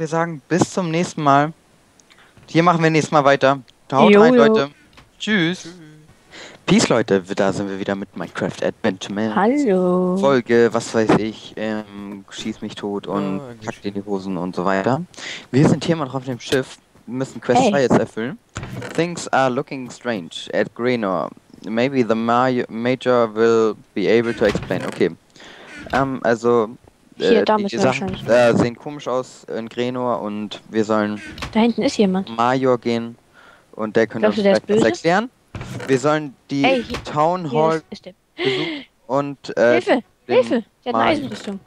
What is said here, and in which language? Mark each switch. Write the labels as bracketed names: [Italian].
[German] Wir sagen bis zum nächsten Mal. Hier machen wir nächstes Mal weiter. Haut rein, Leute. Tschüss. Peace, Leute, da sind wir wieder mit Minecraft Adventure. Hallo. Folge, was weiß ich, schieß mich tot und pack dir die Hosen und so weiter. Wir sind hier immer noch auf dem Schiff, müssen Quest 2 jetzt erfüllen. [English] Things are looking strange at Greenor. Maybe the Major will be able to explain. [German] Okay. Also, die Sachen sehen komisch aus in Greenor und wir sollen. Da hinten ist jemand. Major gehen und der könnte uns vielleicht was erklären. Wir sollen die Town Hall und Hilfe! Der hat eine Eisenrüstung.